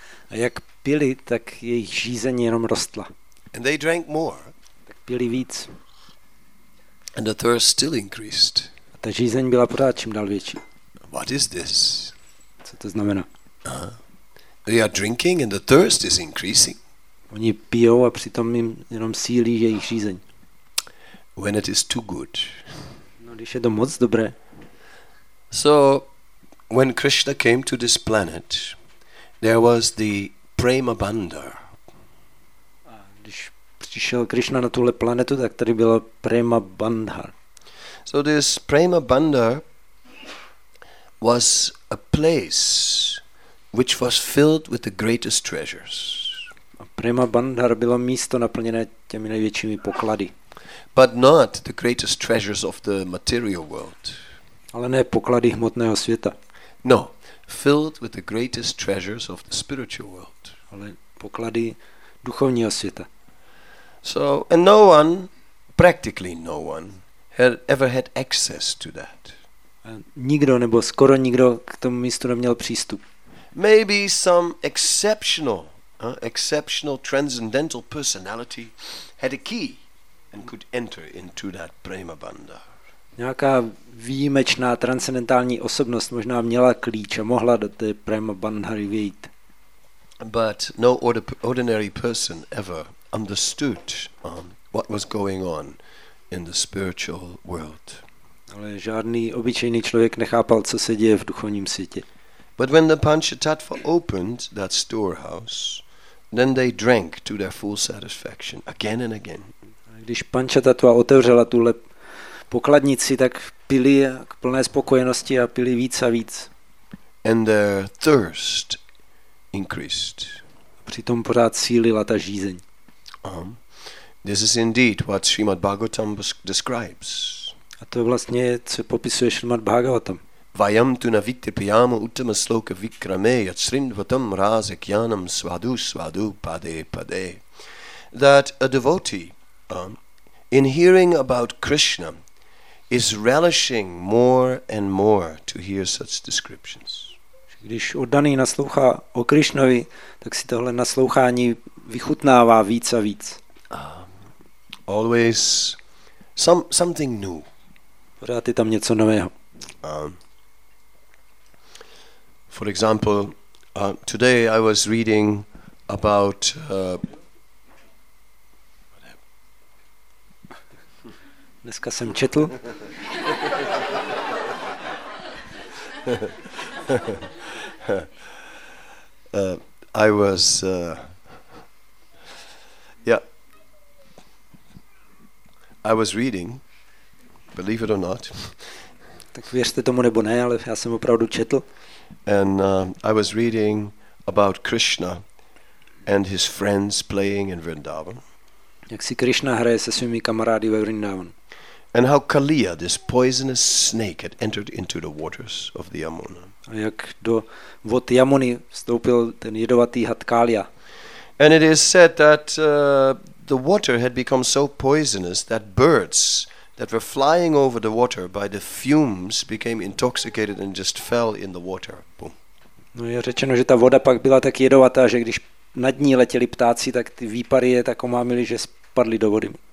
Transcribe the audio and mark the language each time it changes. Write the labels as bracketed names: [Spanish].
[Czech] A jak pili, tak jejich žízeň jenom rostla. [English] And they drank more. [Czech] Tak pili víc. [English] And the thirst still increased. [Czech] A ta žízeň byla pořád čím dál větší. [English] What is this? [Czech] Co to znamená? [English] They are drinking and the thirst is increasing. [Czech] Oni pijou a přitom jim jenom sílí jejich žízeň. [English] When it is too good. [Czech] No, když je to moc dobré. [English] So when Krishna came to this planet, there was the prema bandar. [Czech] A když přišel Krishna na tuhle planetu, tak tady bylo prema bandar. [English] So this prema bandar was a place which was filled with the greatest treasures. [Czech] A prema bandar bylo místo naplněné těmi největšími poklady. [English] But not the greatest treasures of the material world. [Czech] Ale ne poklady hmotného světa. [English] No, filled with the greatest treasures of the spiritual world. [Czech] Ale poklady duchovního světa. [English] So, and no one, practically no one, had ever had access to that. [Czech] A nikdo nebo skoro nikdo k tomu místu neměl přístup. [English] Maybe some exceptional transcendental personality had a key and could enter into that prema bandha. [Czech] Nějaká výjimečná transcendentální osobnost možná měla klíč a mohla do té prema bandhary vyjít. [English] But no ordinary person ever understood what was going on in the spiritual world. [Czech] Ale žádný obyčejný člověk nechápal, co se děje v duchovním světě. [English] But when the panchatattva opened that storehouse, then they drank to their full satisfaction again and again. [Czech] Když panchatattva otevřela tuhle pokladnici, tak pili k plné spokojenosti a pili víc a víc. [English] And their thirst increased. [Czech] Přitom pořád sílila ta žízeň. [English] This is indeed what Srimad Bhagavatam describes. [Czech] A to je vlastně, co popisuje Srimad Bhagavatam. [Sanskrit] Vayam tu na vittipyamo uttama sloka vikrame yat srimdvatam rase kyanam svadu svadu pade pade. [English] That a devotee in hearing about Krishna is relishing more and more to hear such descriptions. [Czech] Když oddaný naslouchá o Krišnovi, tak si tohle naslouchání vychutnává víc a víc. [English] Always something new. [Czech] Pořád je tam něco nového. [English] For example, today I was reading about [Czech] dneska jsem četl. [English] I was reading, believe it or not. [Czech] Tak věřte tomu nebo ne, ale já jsem opravdu četl. [English] And I was reading about Krishna and his friends playing in Vrindavan. [Czech] Jak si Krishna hraje se svými kamarády ve Vrindavan. [English] And how Kaliya, this poisonous snake, had entered into the waters of the Yamuna. [Czech] A jak do vod Yamuny vstoupil ten jedovatý had Kaliya. [English] And it is said that the water had become so poisonous that birds that were flying over the water by the fumes became intoxicated and just fell in the water. Boom. [Czech] No je řečeno, že ta voda pak byla tak jedovatá, že když nad ní letěli ptáci, tak ty výpary je tak omámily, že spadly do vody.